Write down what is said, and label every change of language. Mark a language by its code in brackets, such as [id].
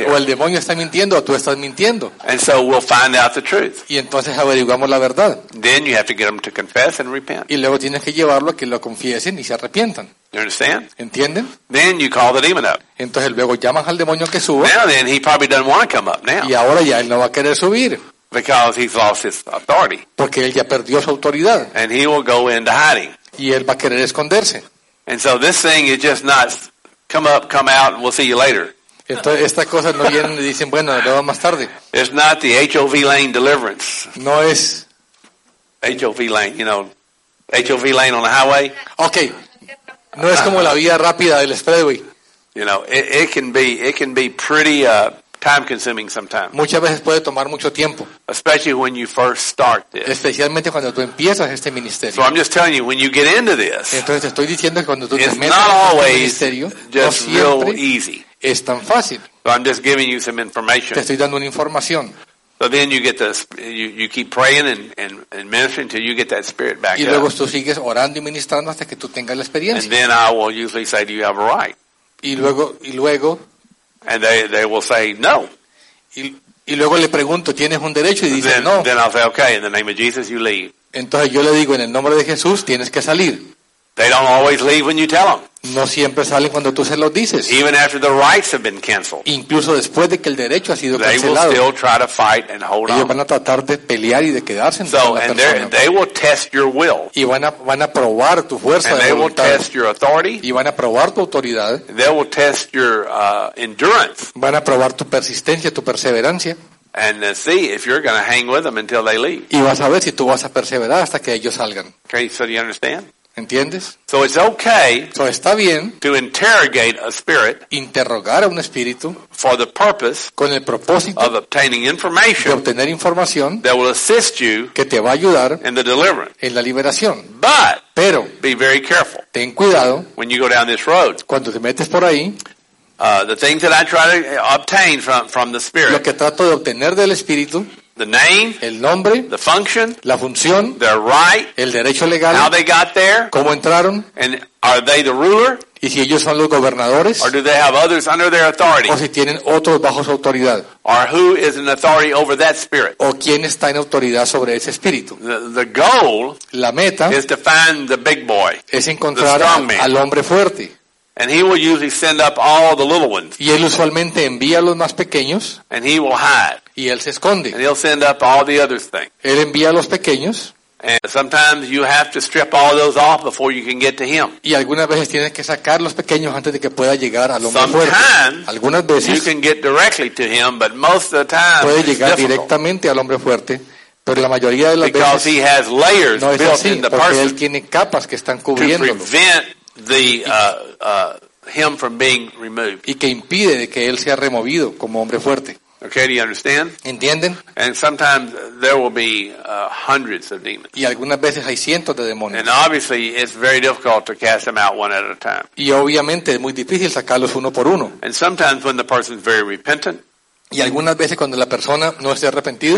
[es] here. O el demonio está mintiendo o tú estás mintiendo. [en] And so we'll find out the truth. [es] Y entonces averiguamos la verdad. [en] Then you have to get them to confess and repent. [es] Y luego tienes que llevarlo a que lo confiesen y se arrepientan. [en] You understand? [es] ¿Entienden? [en] Then you call the demon up. [es] Entonces luego llamas al demonio que suba. [en] Now then, he probably doesn't want to come up now. [es] Y ahora ya él no va a querer subir. [en] Because he's lost his authority. [es] Porque él ya perdió su autoridad. [en] And he will go into hiding. [es] Y él va a querer esconderse. [en] And so this thing is just not come up, come out, and we'll see you later. [es] Entonces estas cosas no vienen y dicen bueno, lo vemos más tarde. [en] It's not the HOV lane deliverance. [es] No es [en] HOV lane, you know, HOV lane on the highway. Okay. [es] No es como la vía rápida del expressway. [en] You know, it can be pretty time consuming sometimes. [es] Muchas veces puede tomar mucho tiempo. [en] Especially when you first start this. [es] Especialmente cuando tú empiezas este ministerio. [en] So I'm just telling you, when you get into this, [es] entonces te estoy diciendo que cuando tú [en] it's [es] te metes [en] not always [es] en este ministerio, [en] just [es] no siempre [en] real easy. [es] Es tan fácil. [en] So I'm just giving you some information. [es] Te estoy dando una información. [en] So then you get this, you keep praying and ministering until you get that spirit back [es] y luego [en] up. [es] Tú sigues orando y ministrando hasta que tú tengas la experiencia. [en] And then I will usually say, do you have a right? [es] Y luego [en] and they will say no. [es] Y luego le pregunto, ¿tienes un derecho? Y dice no. [en] Then I'll say, okay, in the name of Jesus, you leave. [es] Entonces yo le digo, en el nombre de Jesús, tienes que salir. [en] They don't always leave when you tell them. [es] No siempre salen cuando tú se los dices. [en] Even after the rights have been canceled. [es] Incluso después de que el derecho ha sido [en] they [es] cancelado. [en] They will still try to fight and hold on. [es] Ellos van a tratar de pelear y de quedarse [en] so, [es] en la persona. [en] So and they will test your will. [es] Y van a probar tu fuerza [en] and [es] de voluntad. [en] And they will test your authority. [es] Y van a probar tu autoridad. [en] They will test your endurance. [es] Van a probar tu persistencia, tu perseverancia. [en] And see if you're going to hang with them until they leave. [es] Y vas a ver si tú vas a perseverar hasta que ellos salgan. [en] Okay, so do you understand? [es] ¿Entiendes? [en] So it's okay. [es] So está bien. [en] To interrogate a spirit. [es] Interrogar a un espíritu. [en] For the purpose. [es] Con el propósito. [en] Of obtaining information. [es] De obtener información. [en] That will assist you. [es] Que te va a ayudar. [en] In the deliverance. [es] En la liberación. [en] But. [es] Pero. [en] Be very careful. [es] Ten cuidado. [en] When you go down this road. [es] Cuando te metes por ahí. [en] The things that I try to obtain from the spirit. [es] Lo que trato de obtener del espíritu. [en] The name, [es] el nombre, [en] the function, [es] la función, [en] their right, [es] el derecho legal, [en] how they got there, [es] cómo entraron, [en] and are they the ruler, [es] y si ellos son los gobernadores, [en] or do they have others under their authority, [es] o si tienen otros bajo su autoridad, [en] or who is in authority over that spirit, [es] o quién está en autoridad sobre ese espíritu. [en] The goal, [es] la meta, [en] is to find the big boy, [es] es encontrar al hombre fuerte. [en] And he will usually send up all the little ones. [es] Y él usualmente envía a los más pequeños. [en] And he will hide. [es] Y él se esconde. [en] And he'll send up all the other things. [es] Él envía a los pequeños. [en] And sometimes you have to strip all those off before you can get to him. [es] Y algunas veces tienes que sacar los pequeños antes de que pueda llegar al hombre fuerte. [en] Sometimes [es] algunas veces [en] you can get directly to him, but most of the time [es] puede llegar directamente al hombre fuerte. Pero la mayoría de las veces [en] because he has layers [es] no es [en] built [es] así, [en] in the person. [es] Porque él tiene capas que están cubriéndolo. [en] To prevent the him from being removed. [es] Y que impide de que él sea removido como hombre fuerte. [en] Okay, do you understand? [es] ¿Entienden? [en] And sometimes there will be hundreds of demons. [es] Y algunas veces hay cientos de demonios. [en] And obviously it's very difficult to cast them out one at a time. [es] Y obviamente es muy difícil sacarlos uno por uno. [en] And sometimes when the person's very repentant, [es] y algunas veces cuando la persona no esté arrepentido,